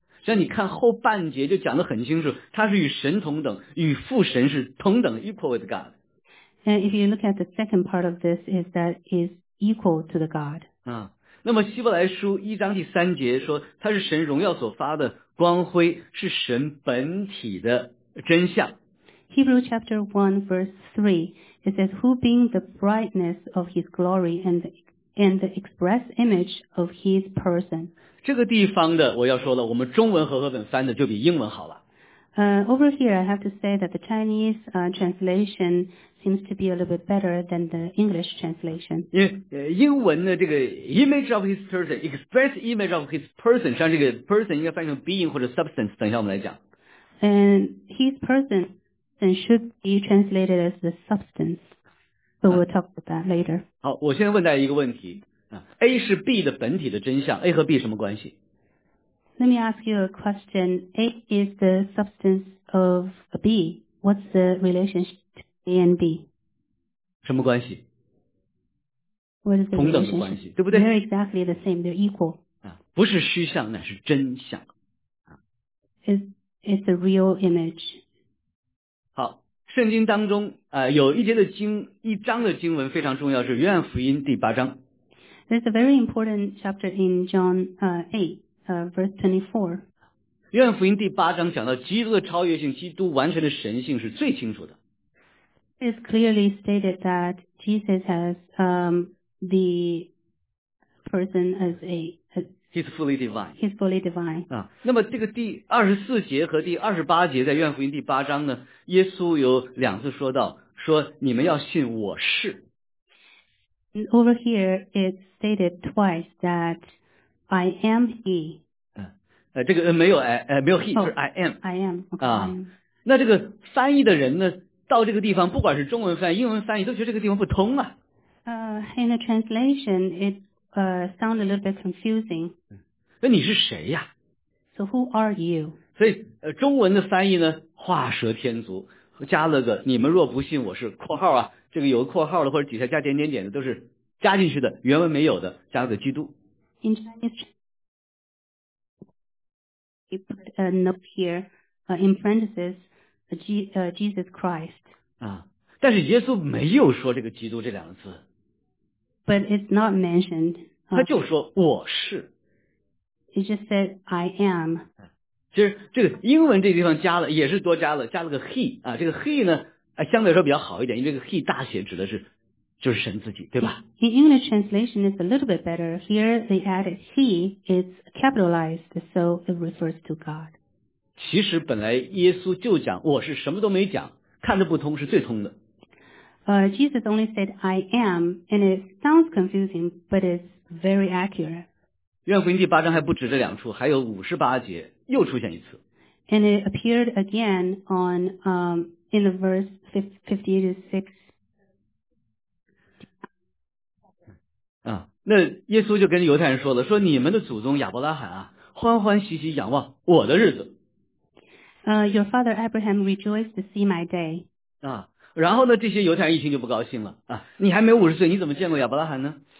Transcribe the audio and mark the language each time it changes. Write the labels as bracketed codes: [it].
[zh] 像你看后半节就讲得很清楚，他是与神同等，与父神是同等 [en] equal with God. And if you look at the second part of this, is that he's equal to the God. [zh] 那么希伯来书一章第三节说他是神荣耀所发的光辉，是神本体的真相。 [en] Hebrew chapter 1 verse 3 it says, who being the brightness of his glory and the express image of his person. [zh] 这个地方的我要说了，我们中文和合本翻的就比英文好了。 [en] Over here I have to say that the Chinese translation seems to be a little bit better than the English translation. [zh] 英文的这个 [en] image of his person, [zh] express image of his person, 像这个 person 应该翻译成 being 或者 substance, 等一下我们来讲。 [en] And his person should be translated as the substance, but we'll talk about that later. [zh] 好，我先问大家一个问题，A 是 B 的本体的真相， A 和 B 什么关系？ [en] Let me ask you a question. A is the substance of B. What's the relationship between A and B? [zh] 什么关系？同等的关系，对不对？ [en] They're exactly the same. They're equal. [zh] 不是虚像，乃是真像。 [en] It's a real image. [zh] 好，圣经当中有一节的经，一章的经文非常重要，是约翰福音第八章。 [en] There's a very important chapter in John 8, verse 24. [zh] 约翰福音第八章讲到基督的超越性，基督完全的神性是最清楚的。 [en] It's clearly stated that Jesus has the person as a He's fully divine. He's fully divine. [zh] 那么这个第二十四节和第二十八节在约翰福音第八章呢，耶稣有两次说到，说你们要信我是。 [en] Over here it's stated twice that I am he. [zh] 这个没有 he 是 [en] I am. I am. [zh] 那这个翻译的人呢，到这个地方，不管是中文翻译、英文翻译，都觉得这个地方不通啊。 [en] In the translation, it sounds a little bit confusing. [zh] 那你是谁呀？ [en] So who are you? [zh] 所以中文的翻译呢，画蛇添足，加了个你们若不信我是括号啊，这个有个括号的或者底下加点点点的都是加进去的，原文没有的，加了个基督。 [en] In Chinese, you put a note here, in parentheses, Jesus Christ. [zh] 但是耶稣没有说这个基督这两个字。 [en] But it's not mentioned. [zh] 他就说我是。 [en] He just said I am. [zh] 其实这个英文这地方加了，也是多加了，加了个 he 啊，这个 he 呢，相对来说比较好一点，因为这个 he 大写指的是就是神自己，对吧？ [en] In English translation, it's a little bit better. Here they added he is capitalized, so it refers to God. [zh] 其实本来耶稣就讲我是，什么都没讲，看得不通是最通的。 [en] Jesus only said I am, and it sounds confusing, but it's very accurate. [zh] 约翰福音第八章还不止这两处，还有五十八节又出现一次。 [en] And it appeared again on in the verse 58 to 6. [zh] 那耶稣就跟犹太人说了，说你们的祖宗亚伯拉罕啊，欢欢喜喜仰望我的日子。 [en] Your father Abraham rejoiced to see my day. [zh] 然后呢，这些犹太人一听就不高兴了啊！你还没50岁，你怎么见过亚伯拉罕呢